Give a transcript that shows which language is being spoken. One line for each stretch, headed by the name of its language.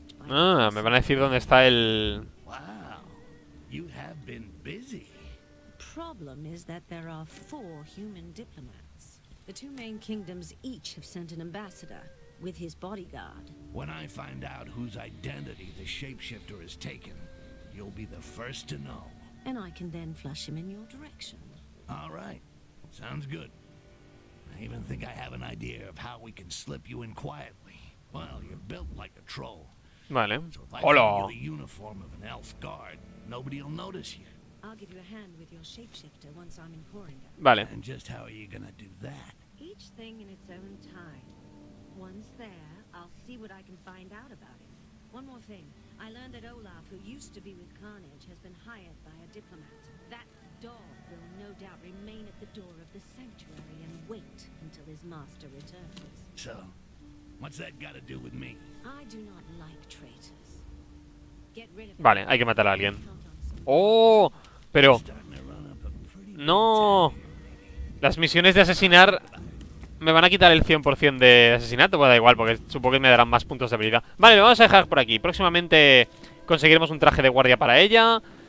Spanish: Ah, me van a decir dónde está el...
English: Wow, you have been busy. Problem is that there are four human diplomats. The two main kingdoms each have sent an ambassador with his bodyguard. When I find out whose identity the shapeshifter has taken, you'll be the first to know. And I can then flush him in your direction. All right. Sounds good. I even think I have an idea of how we can slip you in quietly. Well, you're built like a troll.
Spanish: Vale.
English: So if I Hola. Give you the uniform of an elf guard, nobody'll notice you. I'll give you a hand with your shapeshifter once I'm in Coringa.
Spanish: Vale.
English: And just how are you gonna do that? Each thing in its own time. Once there, I'll see what I can find out about it. One more thing. I learned that Olaf, who used to be with Carnage, has been hired by a diplomat. That dog will no doubt remain at the door of the sanctuary and wait until his master returns. So, what's that gotta do with me? I do not like traitors. Get rid of them.
Spanish: Vale, hay que matar a alguien. ¡Oh! Pero... ¡No! Las misiones de asesinar... Me van a quitar el 100% de asesinato. Bueno, da igual, porque supongo que me darán más puntos de habilidad. Vale, lo vamos a dejar por aquí. Próximamente conseguiremos un traje de guardia para ella.